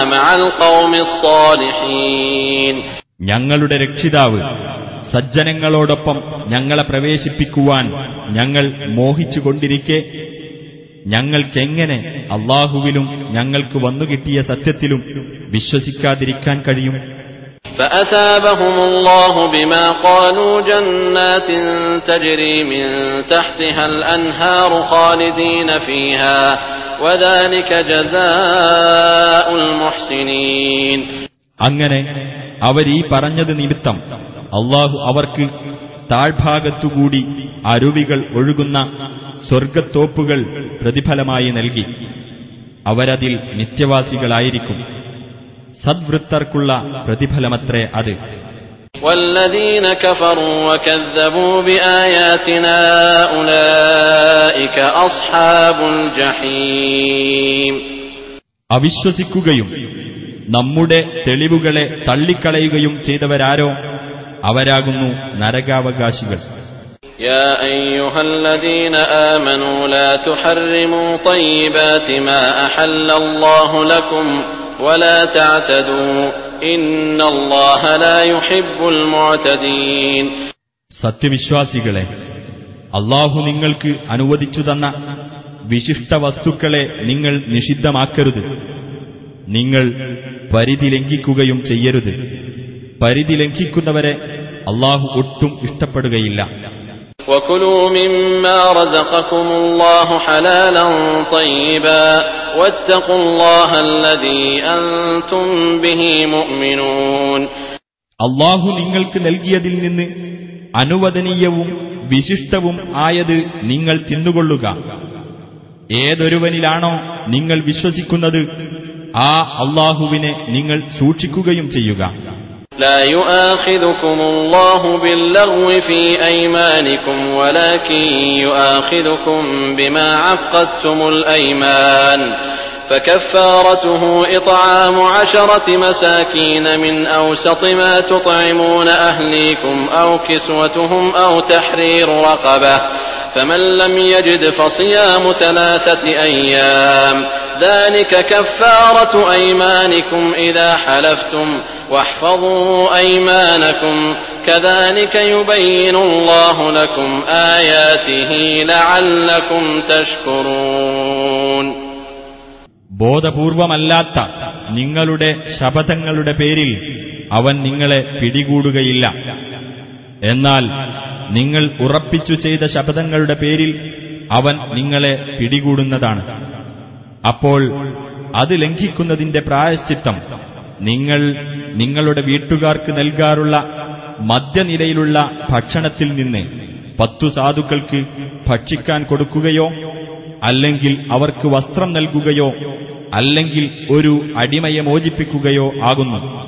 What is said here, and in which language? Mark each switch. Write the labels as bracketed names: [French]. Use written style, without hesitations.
[Arabic] മഅൽ ഖൗമിസ് സാലിഹീൻ [Malayalam] ഞങ്ങളുടെ രക്ഷിതാവ് സജ്ജനങ്ങളോടൊപ്പം ഞങ്ങളെ പ്രവേശിപ്പിക്കുവാൻ ഞങ്ങൾ മോഹിച്ചുകൊണ്ടിരിക്കെ ഞങ്ങൾക്കെങ്ങനെ അള്ളാഹുവിലും ഞങ്ങൾക്ക് വന്നുകിട്ടിയ സത്യത്തിലും വിശ്വസിക്കാതിരിക്കാൻ കഴിയും? [Arabic] فأثابهم الله بما قالوا جنات تجري من تحتها الأنهار خالدين فيها وذلك جزاء المحسنين. [Malayalam] അങ്ങനെ അവർ ഈ പറഞ്ഞതു നിമിത്തം അല്ലാഹു അവർക്ക് താഴ്ഭാഗത്തുകൂടി അരുവികൾ ഒഴുകുന്ന സ്വർഗത്തോപ്പുകൾ പ്രതിഫലമായി നൽകി. അവരതിൽ നിത്യവാസികളായിരിക്കും. സദ്വൃത്തർക്കുള്ള പ്രതിഫലമത്രേ അത്. [Arabic] والذين كفروا وكذبوا بآياتنا أولئك أصحاب الجحيم. [Malayalam] അവിശ്വസിക്കുകയും നമ്മുടെ തെളിവുകളെ തള്ളിക്കളയുകയും ചെയ്തവരാരോ അവരാകുന്നു നരകാവകാശികൾ. [Arabic] يا ايها الذين امنوا لا تحرموا طيبات ما احل الله لكم ولا تعتدوا ان الله لا يحب المعتدين. [Malayalam] സത്യവിശ്വാസികളെ, അല്ലാഹു നിങ്ങൾക്ക് അനുവദിച്ചു തന്ന വിശിഷ്ട വസ്തുക്കളെ നിങ്ങൾ നിഷിദ്ധമാക്കരുത്. നിങ്ങൾ പരിധി ലംഘിക്കുകയും ചെയ്യരുത്. പരിധി ലംഘിക്കുന്നവരെ അല്ലാഹു ഒട്ടും ഇഷ്ടപ്പെടുകയില്ല. [Arabic] وَكُلُوا مِمَّا رَزَقَكُمُ اللَّهُ حَلَالًا طَيِّبًا وَاتَّقُوا اللَّهَ الَّذِي أَنْتُمْ بِهِ مُؤْمِنُونَ. [Malayalam] اللَّهُ നിങ്ങൾക്ക് നൽകിയതിൽ നിന്ന് അനുവദനീയവും വിശിഷ്ടവും ആയത് നിങ്ങൾ തിന്നുകൊള്ളുക. ഏതൊരുവനിലാണോ നിങ്ങൾ വിശ്വസിക്കുന്നത് ആ അല്ലാഹുവിനെ നിങ്ങൾ സൂക്ഷിക്കുകയും ചെയ്യുക. [Arabic] لا يؤاخذكم الله باللغو في ايمانكم ولكن يؤاخذكم بما عقدتم الايمان فكفارته اطعام 10 مساكين من اوسط ما تطعمون اهليكم او كسوتهم او تحرير رقبه فمن لم يجد فصيام 3 ايام ذلك كفاره ايمانكم اذا حلفتم واحفظوا ايمانكم كذلك يبين الله لكم اياته لعلكم تشكرون. [Malayalam] ബോധപൂർവമല്ലാത്ത നിങ്ങളുടെ ശപഥങ്ങളുടെ പേരിൽ അവൻ നിങ്ങളെ പിടികൂടുകയില്ല. എന്നാൽ നിങ്ങൾ ഉറപ്പിച്ചു ചെയ്ത ശപഥങ്ങളുടെ പേരിൽ അവൻ നിങ്ങളെ പിടികൂടുന്നതാണ്. അപ്പോൾ അത് ലംഘിക്കുന്നതിന്റെ പ്രായശ്ചിത്തം നിങ്ങൾ നിങ്ങളുടെ വീട്ടുകാർക്ക് നൽകാറുള്ള മദ്യനിരയിലുള്ള ഭക്ഷണത്തിൽ നിന്ന് 10 സാധുക്കൾക്ക് ഭക്ഷിക്കാൻ കൊടുക്കുകയോ അല്ലെങ്കിൽ അവർക്ക് വസ്ത്രം നൽകുകയോ അല്ലെങ്കിൽ ഒരു അടിമയെ മോചിപ്പിക്കുകയോ ആകുന്നു.